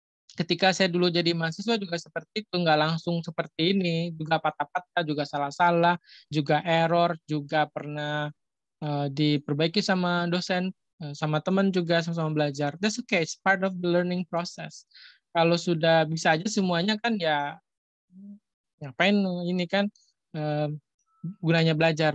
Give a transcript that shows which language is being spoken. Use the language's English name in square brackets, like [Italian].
[Indonesian] Ketika saya dulu jadi mahasiswa juga seperti itu, nggak langsung seperti ini, juga patah-patah, juga salah-salah, juga error, juga pernah diperbaiki sama dosen, sama teman juga, sama-sama belajar. [English] That's okay, it's part of the learning process. [Indonesian] Kalau sudah bisa aja semuanya kan ya, ngapain ini kan, gunanya belajar.